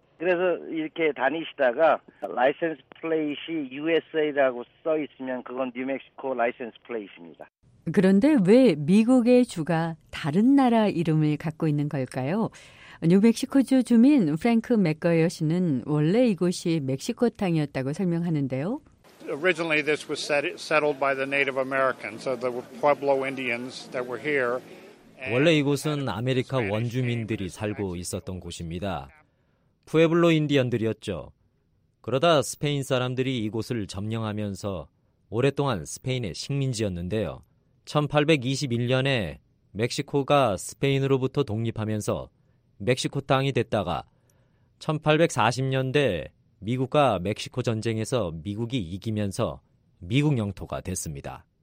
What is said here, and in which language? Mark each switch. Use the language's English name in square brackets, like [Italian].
[Korean] 그래서 이렇게 다니시다가 라이센스 플레이트이 USA라고 써있으면 그건 뉴멕시코 라이센스 플레이트입니다. 그런데 왜 미국의 주가 다른 나라 이름을 갖고 있는 걸까요? 뉴멕시코주 주민 프랭크 맥거이어 씨는 원래 이곳이 멕시코 땅이었다고 설명하는데요. [English] Originally this was settled by the Native Americans, so the Pueblo Indians that were here. [Korean] 원래 이곳은 아메리카 원주민들이 살고 있었던 곳입니다. 푸에블로 인디언들이었죠. 그러다 스페인 사람들이 이곳을 점령하면서 오랫동안 스페인의 식민지였는데요. 1821년에 멕시코가 스페인으로부터 독립하면서 멕시코 땅이 됐다가 1840년대 미국과 멕시코 전쟁에서 미국이 이기면서 미국 영토가 됐습니다.